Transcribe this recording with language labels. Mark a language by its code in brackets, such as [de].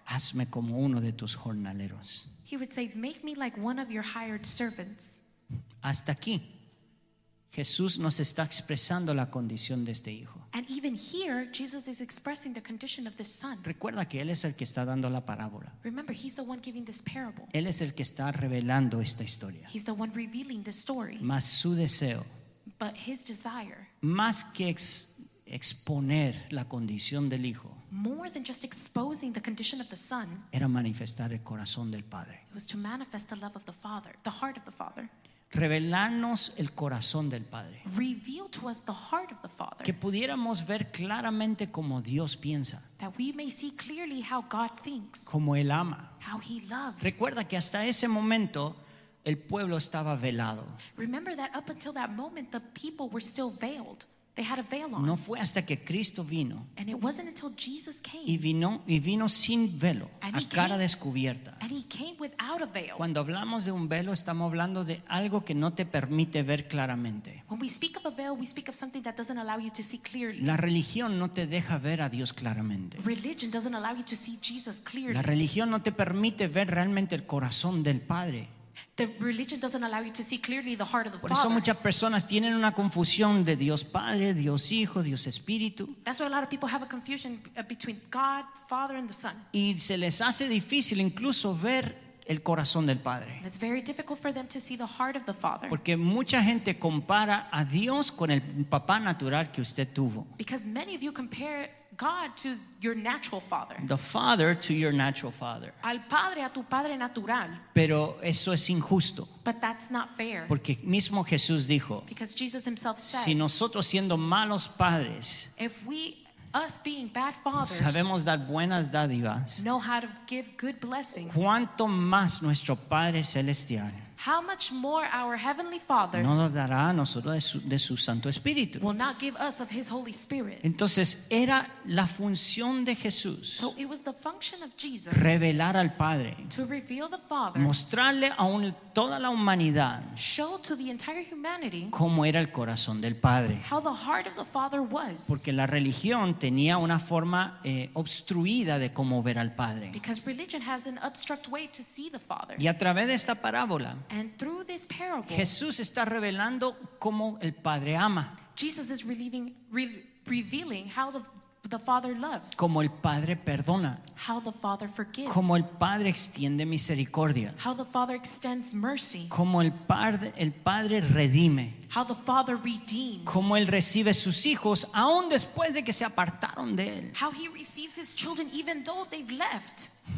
[es] Hazme como uno de tus jornaleros. [en] He would say, make me like one of your hired servants. [es] Hasta aquí, Jesús nos está expresando la condición de este hijo. [en] And even here, Jesus is expressing the condition of this son. [es] Recuerda que él es el que está dando la parábola. [en] Remember, he's the one giving this parable. [es] Él es el que está revelando esta historia. [en] He's the one revealing this story. [es] Más su deseo. [en] But his desire. [es] Más que exponer la condición del hijo. [en] More than just exposing the condition of the son. [es] Era manifestar el corazón del padre. [en] It was to manifest the love of the father, the heart of the father. [es] Revelarnos el corazón del padre. [en] Reveal to us the heart of the father. [es] Que pudiéramos ver claramente cómo Dios piensa. [en] That we may see clearly how God thinks. [es] Cómo él ama. [en] How he loves. [es] Recuerda que hasta ese momento el pueblo estaba velado. [en] Remember that up until that moment the people were still veiled. They had a veil on. [es] No fue hasta que Cristo vino. [en] And it wasn't until Jesus came. [es] Y vino sin velo, [en] and [es] a cara descubierta. [en] And he came without a veil. [es] Cuando hablamos de un velo, estamos hablando de algo que no te permite ver claramente. [en] When we speak of a veil, we speak of something that doesn't allow you to see clearly. [es] La religión no te deja ver a Dios claramente. [en] Religion doesn't allow you to see Jesus clearly. [es] La religión no te permite ver realmente el corazón del Padre. [en] The religion doesn't allow you to see clearly the heart of the Father. [es] Por eso muchas personas tienen una confusión de Dios Padre, Dios Hijo, Dios Espíritu. [en] That's why a lot of people have a confusion between God, Father, and the Son. [es] Y se les hace difícil incluso ver el corazón del Padre. [en] It's very difficult for them to see the heart of the Father. [es] Porque mucha gente compara a Dios con el papá natural que usted tuvo. [en] Because many of you compare God to your natural father. The father to your natural father. [es] Al padre a tu padre natural. Pero eso es injusto. [en] But that's not fair. [es] Porque mismo Jesús dijo. [en] Because Jesus himself said. [es] Si nosotros siendo malos padres. [en] If we, us being bad fathers. [es] Sabemos dar buenas dádivas. [en] Know how to give good blessings. [es] Cuánto más nuestro Padre celestial. [en] how much more our Heavenly Father [es] no nos dará a nosotros de su Santo Espíritu. [en] Will not give us of His Holy Spirit. [es] Entonces, era la función de Jesús, [en] so it was the function of Jesus, [es] revelar al Padre, [en] to reveal the Father, [es] mostrarle a toda la humanidad, [en] show to the entire humanity, [es] cómo era el corazón del Padre. [en] How the heart of the Father was. [es] Porque la religión tenía una forma obstruida de cómo ver al Padre. [en] Because religion has an obstruct way to see the Father. [es] Y a través de esta parábola, [en] and through this parable, [es] Jesús está revelando cómo el Padre ama. [en] Jesus is revealing how the Father loves. [es] Como el Padre perdona. [en] How the Father forgives. [es] Como el Padre extiende misericordia. [en] How the Father extends mercy. [es] Como el Padre redime. [en] How the Father redeems. [es] Como él recibe sus hijos aun después de que se apartaron de él. [en] How he receives his children even though they've left.